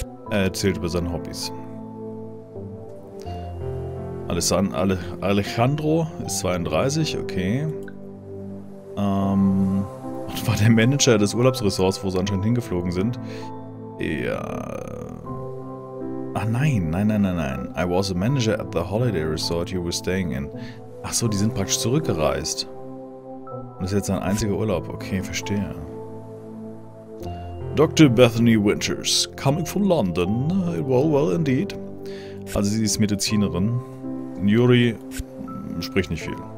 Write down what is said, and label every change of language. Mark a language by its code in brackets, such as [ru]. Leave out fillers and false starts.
[de] Er erzählt über seine Hobbys. Alejandro ist 32, okay. Und war der Manager des Urlaubsressorts, wo sie anscheinend hingeflogen sind. Ja. Ach nein. [en] I was a manager at the holiday resort you were staying in. [de] Ach so, die sind praktisch zurückgereist. Und das ist jetzt sein einziger Urlaub, okay, verstehe. [en] Dr. Bethany Winters, coming from London. Well, well, indeed. [de] Also sie ist Medizinerin. Yuri spricht nicht viel.